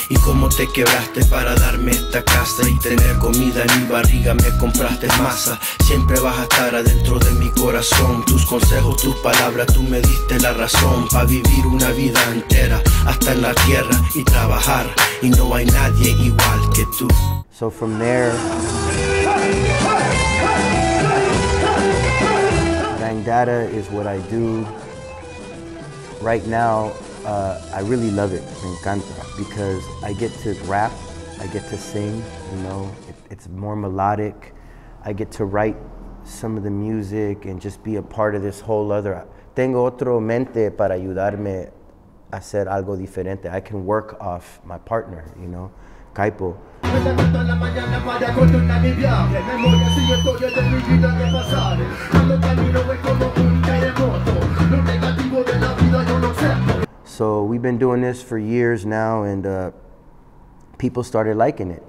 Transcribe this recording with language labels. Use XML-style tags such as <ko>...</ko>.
<es>Y cómo te quebraste para darme esta casa. Y tener comida en mi barriga, me compraste masa. Siempre vas a estar adentro de mi corazón. Tus consejos, tus palabras, tú me diste la razón. Para vivir una vida entera hasta en la tierra y trabajar. Y no hay nadie igual que tú.</es> <en>So from there, Data is what I do. right now, I really love it,</en> <es>me encanta,</es> <en>because I get to rap, I get to sing, you know, it's more melodic. I get to write some of the music and just be a part of this whole other.</en> <es>Tengo otro mente para ayudarme a hacer algo diferente.</es> <en>I can work off my partner, you know, Kaipo. So we've been doing this for years now, and people started liking it.</en>